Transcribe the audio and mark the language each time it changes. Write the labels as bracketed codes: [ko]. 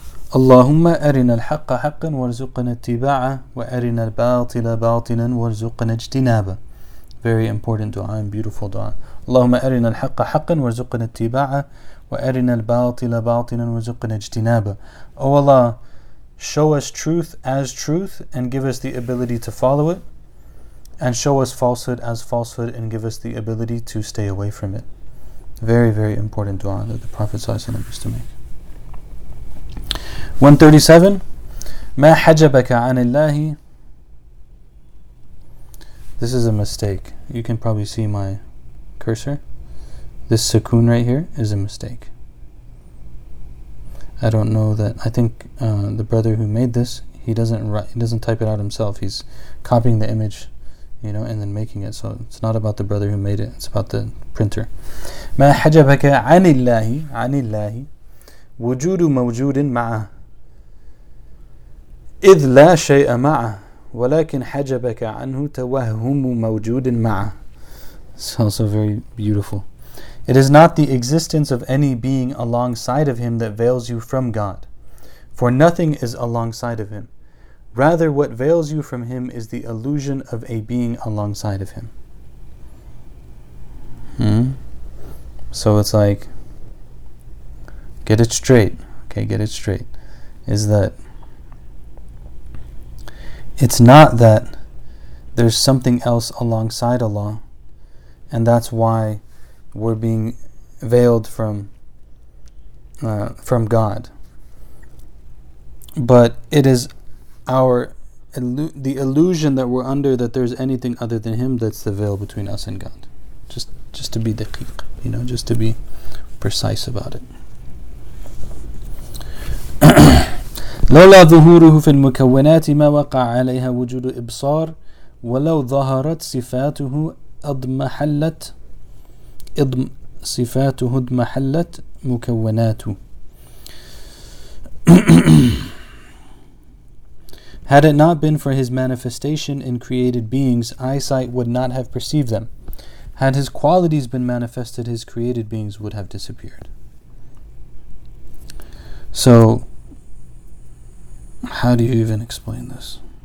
[ar] اللهم أرنا الحق حقا وارزقنا اتباعه وأرنا الباطل باطلا وارزقنا اجتنابه. [en] Very important dua and beautiful dua. [ar] اللهم أرنا الحق حقا وارزقنا اتباعه وأرنا الباطل باطلا وارزقنا اجتنابه. [en] Oh Allah, show us truth as truth and give us the ability to follow it, and show us falsehood as falsehood and give us the ability to stay away from it. Very, very important dua that the Prophet ﷺ used to make. [ar] 137, ما حجبك عن الله. [en] This is a mistake. You can probably see my cursor. This sukun right here is a mistake. I don't know that. I think the brother who made this, he doesn't write. He doesn't type it out himself. He's copying the image, you know, and then making it. So it's not about the brother who made it. It's about the printer. [ar] ما حجبك عن الله عن الله وجود موجود معه إذ لا شيء معه ولكن حجبك عنه توهم موجود معه. [en] It's also very beautiful. It is not the existence of any being alongside of him that veils you from God, for nothing is alongside of him. Rather, what veils you from him is the illusion of a being alongside of him. So it's like, get it straight, is that it's not that there's something else alongside Allah, and that's why we're being veiled from God. But it is the illusion that we're under that there's anything other than Him that's the veil between us and God. just to be daqiq, you know, just to be precise about it. [ar] لولا ظهوره في المكونات ما وقع عليها وجود إبصار ولو ظهرت صفاته اضمحلت صفاته اضمحلت مكوناته. [en] Had it not been for his manifestation in created beings, eyesight would not have perceived them. Had his qualities been manifested, his created beings would have disappeared. So, how do you even explain this?